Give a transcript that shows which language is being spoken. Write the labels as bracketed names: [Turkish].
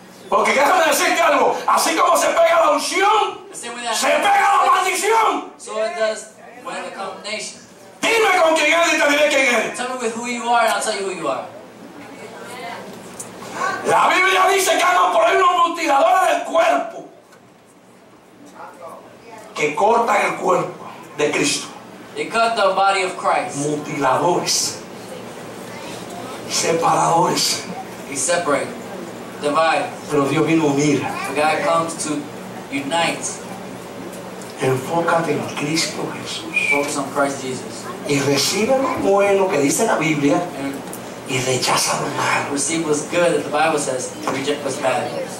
[Spanish] Porque déjame decirte algo, así como se pega la unción, se pega la maldición. [English] So it does when the combination. [Spanish] Dime con quién eres y te diré quién eres. [English] Tell me with who you are and I'll tell you who you are. [Spanish] La Biblia dice que andan por ahí unos mutiladores del cuerpo que cortan el cuerpo de Cristo. [English] They cut the body of Christ. [Spanish] Mutiladores. Separadores. [English] They separate. Divide. [Spanish] Pero Dios vino a unir. [English] But God comes to unite. [Spanish] Enfócate en Cristo Jesús. [English] Focus on Christ Jesus. [Spanish] Y recibe lo bueno que dice la Biblia. Y rechaza lo malo. [English] Receive what's good, the Bible says, and reject what's bad.